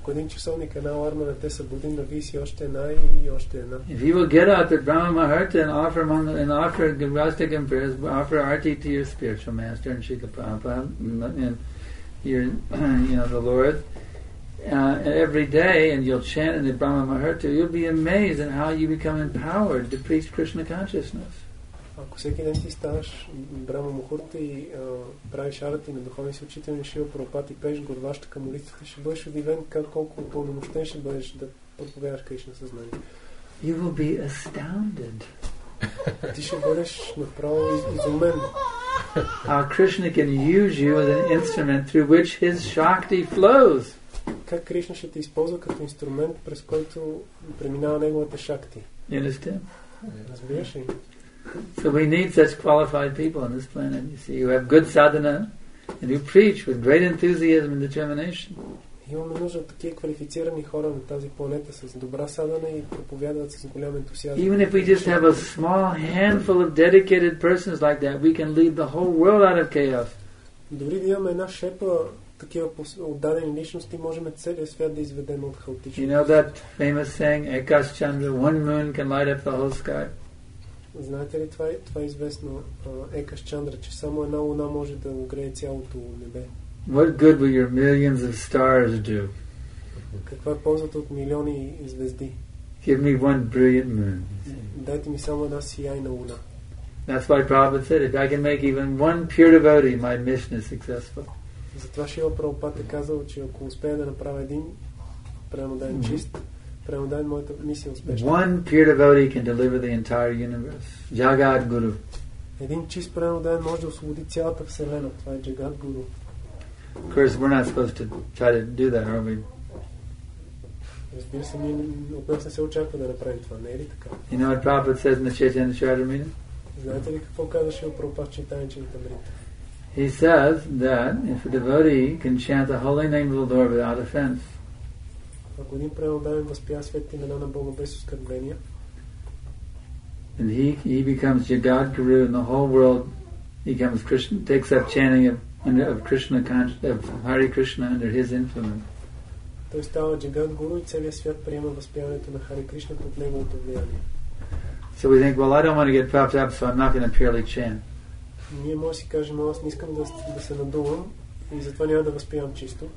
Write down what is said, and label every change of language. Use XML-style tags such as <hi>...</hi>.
<bg>Ако един часовник, една аларма, не те събуди, но ви си още една и още една.</bg> <en>If you will get out at Brahma Maharta and offer Gavrastakam prayers, offer arti to your spiritual master and Srila Prabhupada and your, you know, the Lord, every day, and you'll chant in the Brahma Maharta, you'll be amazed at how you become empowered to preach Krishna consciousness.</en> <bg>Ако всеки ден ти ставаш Брама Мухурта и правиш арати на духовни си учители на Шива Прабхупад и пееш горващата към молитвата, ще бъдеш удивен как колко пълномощен ще бъдеш да проповядаш Кришна съзнание.</bg> <en>You will be astounded.</en> <bg>Ти ще бъдеш направо изумен.</bg> <en>How Krishna can use you as an instrument through which his Shakti flows.</en> <bg>Как Кришна ще те използва като инструмент, през който преминава неговата Шакти.</bg> <en>You understand?</en> <bg>Разбираш ли?</bg> <en>So we need such qualified people on this planet. You see, you have good sadhana and you preach with great enthusiasm and determination.</en> <bg>Имаме нужда от такива квалифицирани хора на тази планета с добра садана и проповядват с голям ентусиазъм.</bg> <en>Even if we just have a small handful of dedicated persons like that, we can lead the whole world out of chaos.</en> <bg>Дори да имаме една шепа такива отдадени личности, можем целия свят да изведем от хаотичност.</bg> <en>You know that famous saying, Ekash Chandra, one moon can light up the whole sky.</en> <bg>Знаете ли, това е известно, Екаш Чандра, че само една луна може да огрее цялото небе.</bg> <en>What good will your millions of stars do?</en> <bg>Каква е ползата от милиони звезди?</bg> <en>Give me one brilliant moon.</en> <bg>Дайте ми само една сияйна луна.</bg> <en>That's why Prabhupada said, if I can make even one pure devotee, my mission is successful.</en> <bg>Затова Шрила Прабхупада казал, че ако успея да направя един преноден чист,</bg> <en>one pure devotee can deliver the entire universe. Jagat Guru.</en> <bg>Един чист преноден може да освободи цялата вселена. Това е Jagat Guru.</bg> <en>Of course, we're not supposed to try to do that, are we?</en> <bg>Разбира се, ние от нас не се очаква да направим това. Не е ли така?</bg> <en>You know what Prabhupada says in the Chaitanya Charitamrita?</en> <bg>Знаете ли какво казваше Прабхупада в Chaitanya Charitamrita?</bg> <en>He says that if a devotee can chant the holy name of the Lord without offense,</en> <bg>ако един преноден възпя свет имена на Бога без оскърбление,</bg> <en>and he becomes Jagat Guru and the whole world becomes Krishna, takes up chanting of Krishna, of Hare Krishna under his influence.</en> <bg>Той става Jagat Guru и целият свят приема възпяването на Хари Кришна под неговото влияние.</bg> <en>So we think, well, I don't want to get puffed up, so I'm not going to purely chant.</en> <bg>Ние може си кажем, аз не искам да се надувам, и затова няма да възпивам чисто.</bg>